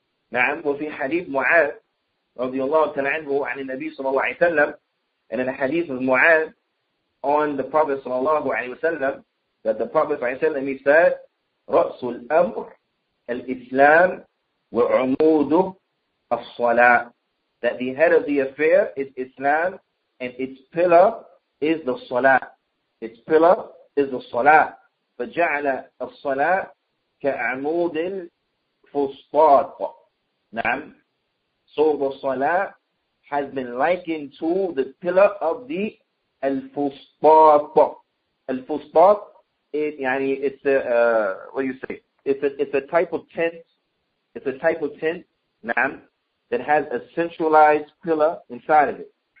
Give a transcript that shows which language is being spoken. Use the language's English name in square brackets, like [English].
[English] Now, [Arabic] وفي حديث معاذ, رضي الله تعالى عنه, عن النبي صلى الله عليه وسلم, [English] and in the hadith of [Arabic] معاذ, [English] on the Prophet [Arabic] صلى الله عليه وسلم, [English] that the Prophet [Arabic] صلى الله عليه وسلم, [English] he said, [Arabic] رأس الأمر, الإسلام وعموده الصلاة. [English] That the head of the affair is Islam and its pillar is the Salah. Its pillar is the Salah. [Arabic] فجعل الصلاة كعمود الفسطاط. نعم. [English] So the Salah has been likened to the pillar of the الفسطاط. الفسطاط, it, [Arabic] يعني, [English] it's a, what do you say? It's a type of tent, na'am, that has a centralized pillar inside of it.